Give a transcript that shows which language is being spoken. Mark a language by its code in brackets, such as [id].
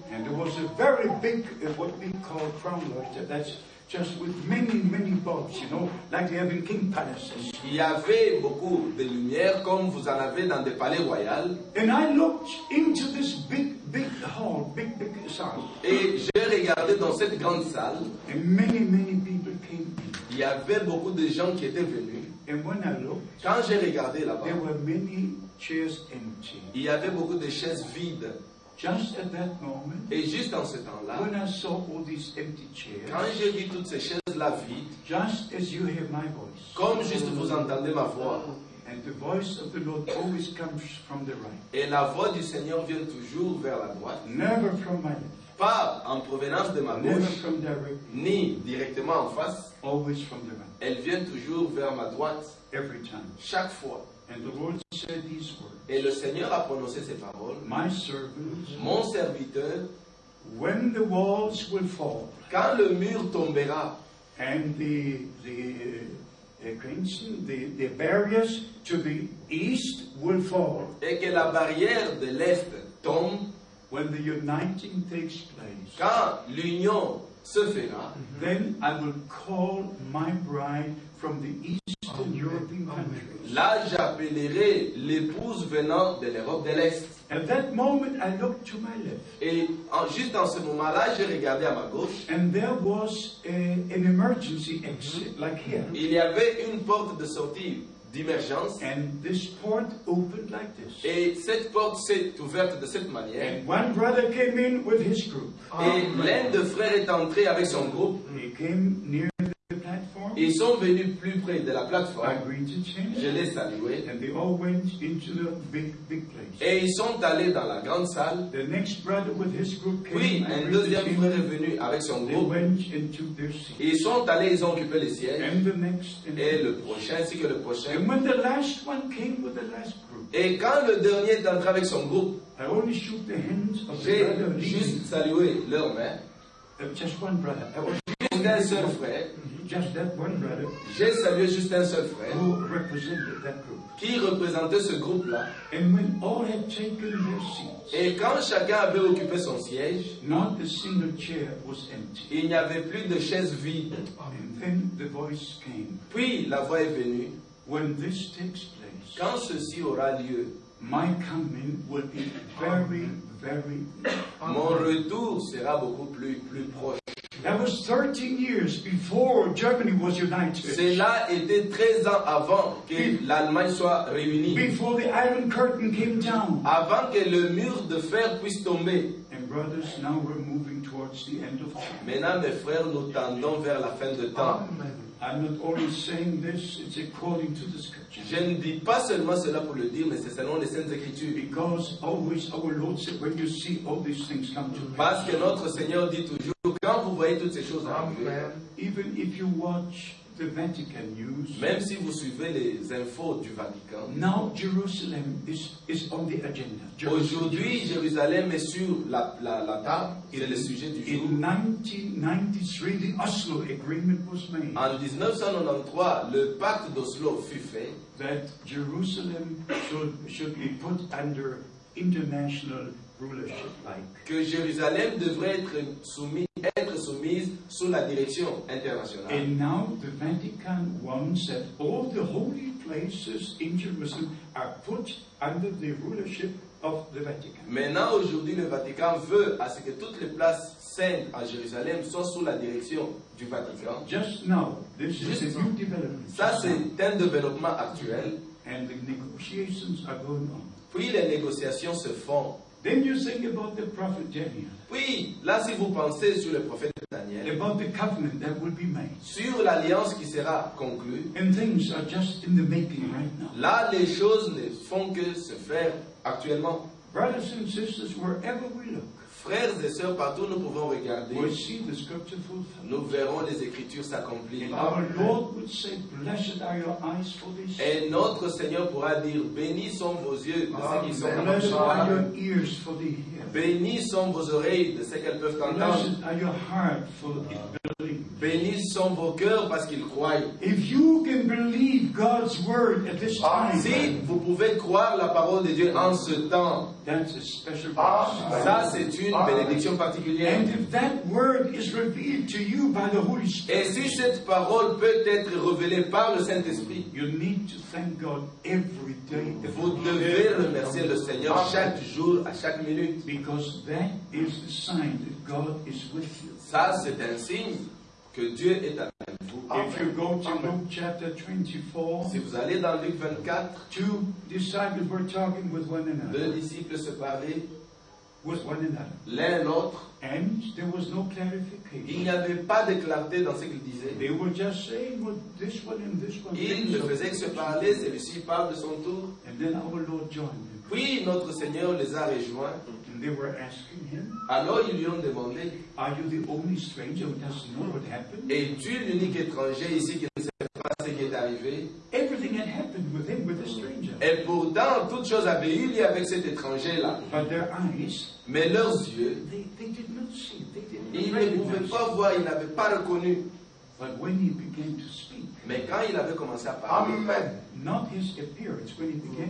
[en] And there was a very big what we call crown lodge. That's just with many, many bulbs, you know, like they have in king palaces. [fr] Il y avait beaucoup de lumière comme vous en avez dans des palais royaux. [en] And I looked into this big salle. [fr] Et j'ai regardé dans cette grande salle. [en] And many, many people came. [fr] Il y avait beaucoup de gens qui étaient venus. [en] And when I looked, [fr] quand j'ai regardé là-bas, [en] there were many chairs empty. [fr] Il y avait beaucoup de chaises vides. [en] Just at that moment, [fr] et juste en ce temps-là, [en] when I saw all these empty chairs, [fr] quand j'ai vu toutes ces chaises-là vides, [en] just as you hear my voice, [fr] comme juste vous entendez ma voix, [en] and the voice of the Lord always comes from the right, [fr] et la voix du Seigneur vient toujours vers la droite, [en] never from my left, [fr] pas en provenance de ma [en] never [fr] bouche, [en] from direct, [fr] ni directement en face, [en] always from the right, [fr] elle vient toujours vers ma droite, [en] every time, [fr] chaque fois. [en] And the Lord said these words. [fr] Et le Seigneur a prononcé ces paroles. [en] My servant, [fr] mon serviteur, [en] when the walls will fall, [fr] quand le mur tombera, [en] and the barriers to the east will fall, [fr] et que la barrière de l'est tombe, [en] when the uniting takes place, [fr] quand l'union se fera, [en] then I will call my bride from the eastern European countries. [fr] Là, j'appellerai l'épouse venant de l'Europe de l'Est. [en] At that moment, I looked to my left. [fr] Et juste dans ce moment-là, j'ai regardé à ma gauche. [en] And there was an emergency exit, like here. [fr] Il y avait une porte de sortie d'émergence. [en] And this port opened like this. [fr] Et cette porte s'est ouverte de cette manière. [en] And one brother came in with his group. [fr] Et l'un de frères est entré avec son groupe. [en] He came near the platform. [fr] Ils sont venus plus près de la plateforme. [en] I greeted him. [fr] Je les saluais. [en] And they all went into the big place. [fr] Et ils sont allés dans la grande salle. [en] The next brother with his group came. [fr] Puis un deuxième frère est venu avec son [en] they [fr] groupe. [en] Went into their seat. [fr] Ils sont allés, ils ont occupé les sièges. [en] And the next. [fr] Et le prochain, ainsi que le prochain. [en] And when the last one came with the last group. [fr] Et quand le dernier est entré avec son groupe. [en] I only shook the hands of the [fr] j'ai juste saluer leurs mains. [en] Just one brother. [fr] Juste un seul frère. [en] just that one brother. [fr] J'ai salué juste un seul frère. [en] Who represented that group? [fr] Qui représentait ce groupe-là? [en] And when all had taken their seats. [fr] Et quand chacun avait occupé son siège, [en] not a single chair was empty. [fr] Il n'y avait plus de chaise vide. [en] And then the voice came. [fr] Puis la voix est venue. [en] When this takes place. [fr] Quand ceci aura lieu. [en] My coming will be very, very. [fr] Mon retour sera beaucoup plus proche. [en] That was 13 years before Germany was united. [fr] Cela était 13 ans avant que l'Allemagne soit réunie. [en] Before the Iron Curtain came down. [fr] Avant que le mur de fer puisse tomber. [en] And brothers, now we're moving towards the end of time. [fr] Maintenant, mes frères, nous tendons vers la fin de temps. [en] I'm not only saying this, it's according to the scripture. [fr] Je ne dis pas seulement cela pour le dire, mais c'est selon les Saintes Écritures. [en] Because always our Lord said, when you see all these things come to pass. [fr] Parce que notre Seigneur dit toujours, quand vous voyez toutes ces choses arriver, [en] even if you watch the Vatican news, [fr] même si vous suivez les infos du Vatican, [en] now Jerusalem is on the agenda. [fr] Aujourd'hui, Jérusalem est sur la table. C'est le sujet du jour. [en] In 1993, the Oslo Agreement was made. [fr] En 1993, le pacte d'Oslo fut fait. [en] That Jerusalem should be put under international rulership, like. [fr] Que Jérusalem devrait être soumise sous la direction internationale. [en] And now the Vatican wants that all the holy places in Jerusalem are put under the rulership of the Vatican. [fr] Maintenant, aujourd'hui, le Vatican veut à ce que toutes les places saintes à Jérusalem soient sous la direction du Vatican. [en] Just now, this is a new development. [fr] Ça, c'est un développement actuel. [en] And the negotiations are going on. [fr] Puis les négociations se font. [en] Then you think about the prophet Daniel. [fr] Puis, là, si vous pensez sur le prophète Daniel, [en] about the covenant that will be made. [fr] Sur l'alliance qui sera conclue, [en] and things are just in the making right now. [fr] Là, les choses ne font que se faire actuellement. [en] Brothers and sisters, wherever we look, [fr] frères et sœurs, partout nous pouvons regarder, [en] we'll see the scripture fulfilled. [fr] Nous verrons les Écritures s'accomplir. [en] And our Lord would say, blessed are your eyes for this. [fr] Et notre Seigneur pourra dire, bénis sont vos yeux de ce qu'ils sont capables. [en] Blessed are your ears for the hearing. [fr] Bénis sont vos oreilles de ce qu'elles peuvent entendre. [en] Blessed are your heart for it believing. [fr] Bénis sont vos cœurs parce qu'ils croient. [en] If you can believe God's word at this time, [fr] si vous pouvez croire la parole de Dieu en ce temps, [en] that's a special blessing. [fr] Ça, c'est une bénédiction particulière. [en] And if that word is revealed to you by the Holy Spirit, [fr] et si cette parole peut être révélée par le Saint-Esprit, [en] you need to thank God every day. [fr] Vous devez remercier le Seigneur chaque jour, à chaque minute. [en] Because that is the sign that God is with you. [fr] Ça, c'est un signe que Dieu est avec vous. [en] If you go to Luke chapter 24, [fr] si vous allez dans Luc 24, [en] two disciples were talking with one another. [fr] Deux disciples se parlaient [en] with one another. [fr] L'un l'autre. [en] And there was no clarification. [fr] Il n'y avait pas de clarté dans ce qu'ils disaient. [en] They were just saying, well, this one and this one. [fr] Ils ne faisaient que se parler. Celui-ci parle de son tour. [en] And then our Lord joined them. [fr] Puis notre Seigneur les a rejoints. [en] And they were asking him. [fr] Alors ils lui ont demandé. [en] Are you the only stranger who doesn't know what happened? [fr] Es-tu l'unique étranger ici qui ne sait pas ce qui est arrivé? [en] Everything had happened with him with the stranger. [fr] Et pourtant toute chose avait eu lieu avec cet étranger là. [en] But their eyes. [fr] Mais leurs yeux. [en] They did not see. [fr] Ils ne pouvaient pas voir. Ils n'avaient pas reconnu. [en] But when he began to speak. [fr] Mais quand il avait commencé à parler. [en] Amen. Not his appearance when he began.